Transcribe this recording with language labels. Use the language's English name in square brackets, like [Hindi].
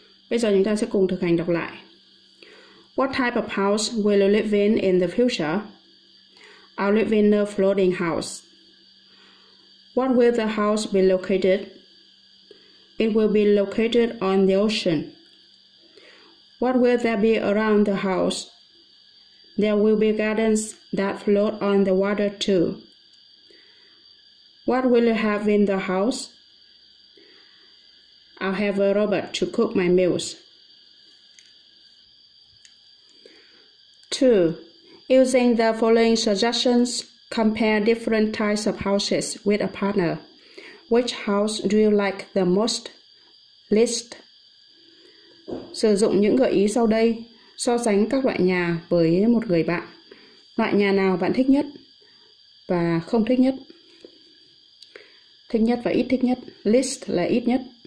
[Vietnamese] Bây giờ chúng ta sẽ cùng thực hành đọc lại. [English] What type of house will you live in the future? I'll live in a floating house. What will the house be located? It will be located on the ocean. What will there be around the house? There will be gardens that float on the water too. What will you have in the house? I'll have a robot to cook my meals. 2. Using the following suggestions, compare different types of houses with a partner. Which house do you like the most? List. [Vietnamese] Sử dụng những gợi ý sau đây, so sánh các loại nhà với một người bạn. Loại nhà nào bạn thích nhất và không thích nhất? Thích nhất và ít thích nhất. List là ít nhất.